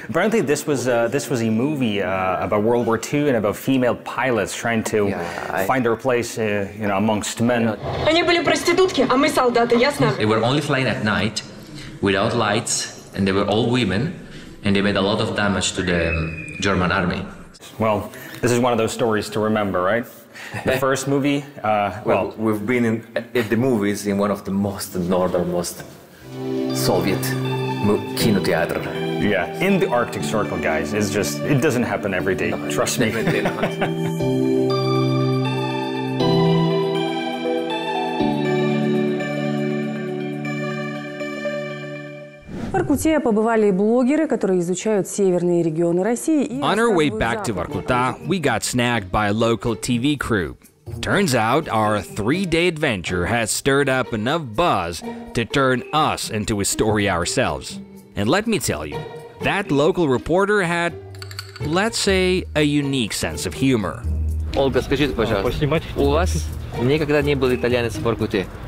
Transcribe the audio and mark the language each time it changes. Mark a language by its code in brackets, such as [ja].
[en] Apparently, this was a movie about World War II and about female pilots trying to find their place, you know, amongst men. [ru] Они были проститутки, а мы солдаты, ясно? [en] They were only flying at night, without lights, and they were all women, and they made a lot of damage to the German army. Well, this is one of those stories to remember, right? The first movie. Well, we've been in the movies in one of the most northernmost Soviet. Kino Theater. Yeah, in the Arctic Circle, guys. It's just, it doesn't happen every day. No, trust me. [ru] В Воркуте побывали блогеры, которые изучают северные регионы России. [en] On our way back to Воркута, we got snagged by a local TV crew. Turns out our three-day adventure has stirred up enough buzz to turn us into a story ourselves. And let me tell you, that local reporter had, let's say, a unique sense of humor. [ru] Olga, скажите, пожалуйста, у вас никогда не был итальянец в Воркуте?